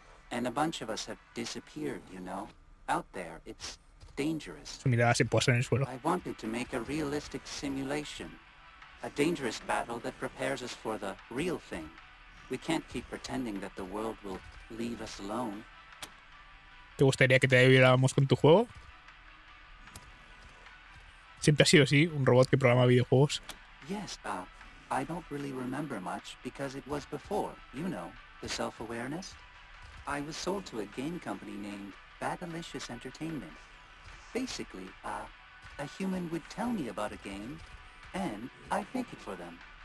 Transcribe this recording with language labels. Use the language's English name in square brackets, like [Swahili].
[English] And a bunch of us have disappeared, you know. Out there, it's... [Spanish] Su mirada se posa en el suelo. [English] I wanted to make a realistic simulation, a dangerous battle that prepares us for the real thing. We can't keep pretending that the world will leave us alone. [Spanish] ¿Te gustaría que te ayudáramos con tu juego? Siempre ha sido así, un robot que programa videojuegos. [English] Yes, I don't really remember much because it was before, you know, the self-awareness. I was sold to a game company named Badalicious Entertainment. Basically, a human would tell me about a game, and I'd make it for them.